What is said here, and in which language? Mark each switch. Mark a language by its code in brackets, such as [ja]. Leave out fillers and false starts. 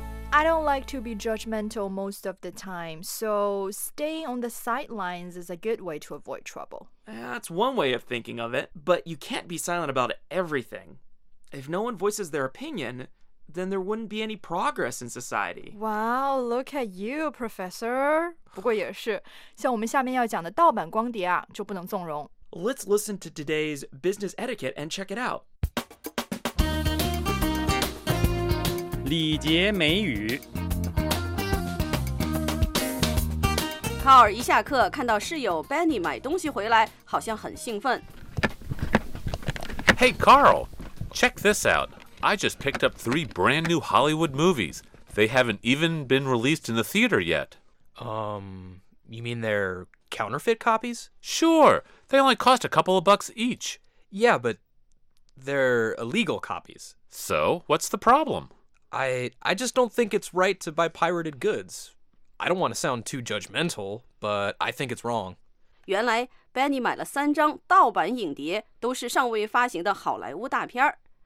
[en] I don't like to be judgmental most of the time, so staying on the sidelines is a good way to avoid trouble. That's one way of thinking of it, but you can't be silent about everything. If no one voices their opinion... then there wouldn't be any progress in society. Wow, look at you, professor. [zh] 不过也是，像我们下面要讲的盗版光碟啊，就不能纵容。 [en] Let's listen to today's business etiquette and check it out. [zh] 礼节美语。考尔一下课，看到室友 Benny 买东西回来，好像很兴奋。 [en] Hey, Carl, check this out. I just picked up 3 brand new Hollywood movies. They haven't even been released in the theater yet. You mean they're counterfeit copies? Sure. They only cost a couple of bucks each. Yeah, but they're illegal copies. So, what's the problem? I just don't think it's right to buy pirated goods. I don't want to sound too judgmental, but I think it's wrong. [zh] 原来 Benny 买了三张盗版影碟，都是尚未发行的好莱坞大片儿。